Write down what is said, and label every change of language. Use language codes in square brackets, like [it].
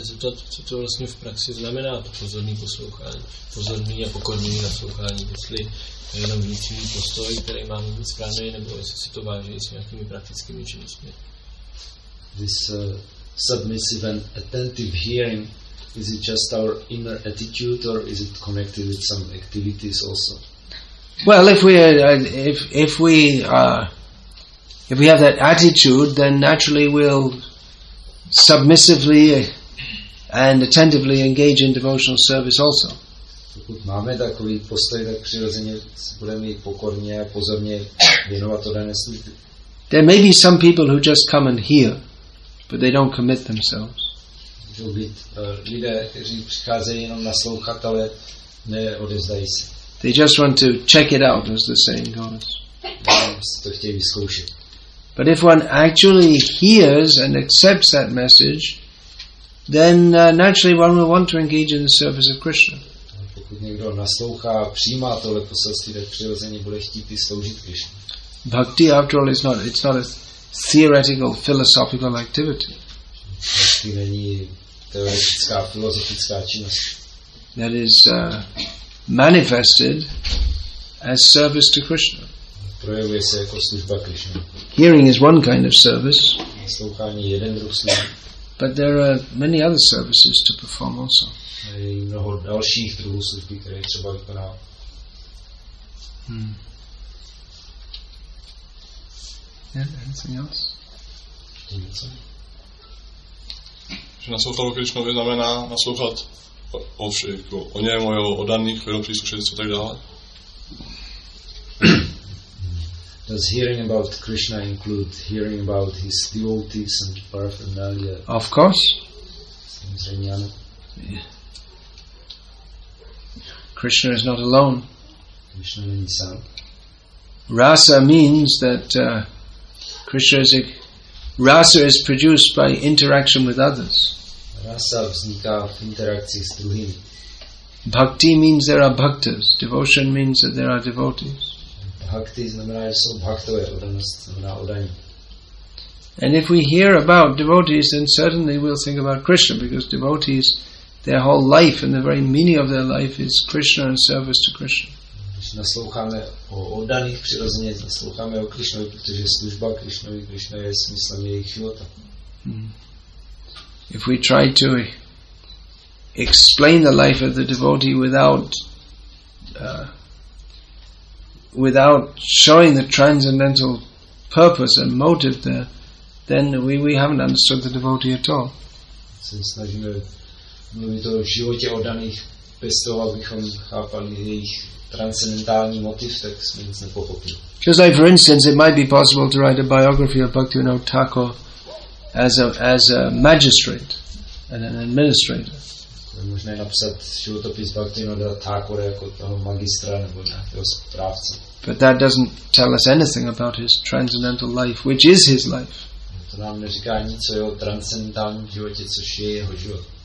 [cs] Co to vlastně v praxi znamená, to pozorný poslouchání, pozorný a pokorný naslouchání, jestli to je jenom vnitřní postoj, který mám být správný, nebo jestli si to váží s nějakými praktickými činnostmi. [en] This submissive and attentive hearing, is it just our inner attitude or is it connected with some activities also? Well, if we have that attitude, then naturally we'll submissively and attentively engage in devotional service also. [cs] Pokud máme takový postoj, tak přirozeně budeme pokorně a pozorně věnovat to dané službě. [en] There may be some people who just come and hear, but they don't commit themselves. [cs] Můžou být lidé, kteří přicházejí jenom naslouchat, ale neodevzdají se. [en] They just want to check it out, as the saying goes. [cs] To chtějí vyzkoušet. [en] But if one actually hears and accepts that message, then naturally one will want to engage in the service of Krishna. [cs] Pokud někdo naslouchá a přijímá tohle poselství, tak přirozeně bude chtít i sloužit Krishna. [en] Bhakti, after all, it's not a theoretical, philosophical activity. [cs] Bhakti není teoretická, filozofická činnost. [en] That is manifested as service to Krishna. [cs] Projevuje se jako služba Krishna. [en] Hearing is one kind of service. [cs] Naslouchání je jeden druh služby. [en] But there are many other services to perform also. [cs] Je mnoho dalších druhů služby, které je třeba vykonávat. [en] Anything else? [cs] Naslouchat o Krishnovi znamená naslouchat o něm, o jeho odaných, o jeho příslušenství a tak dále. [en] Does hearing about Krishna include hearing about his devotees and paraphernalia? Of course. Krishna is not alone. Krishna means sound. Rasa means that Krishna is rasa is produced by interaction with others. [cs] Rasa vzniká v interakcii s druhými. [en] Bhakti means there are bhaktas. Devotion means that there are devotees. [cs] Bhakti znamená, že jsou bhaktové, oddanost znamená oddaní. [en] And if we hear about devotees, then certainly we'll think about Krishna, because devotees, their whole life and the very meaning of their life is Krishna and service to Krishna. [cs] Když nasloucháme o oddaných, přirozeně nasloucháme o Krishnovi, protože služba Krishnovi, Krishna je smyslem jejich života. [en] If we try to explain the life of the devotee without showing the transcendental purpose and motive there, then we haven't understood the devotee at all. [cs] Se snažíme mluvit o životě oddaných bez toho, abychom chápali jejich transcendentální motiv, tak jsme nic nepochopili. [en] Just like, for instance, it might be possible to write a biography of Bhaktivinoda Thakur as a magistrate and an administrator. [cs] Možná napsat životopis Bhaktivinoda Thakura jako toho magistra nebo nějakého správce. [en] But that doesn't tell us anything about his transcendental life, which is his life. [cs] To nám neříká nic o jeho transcendentálním životě, což je jeho život.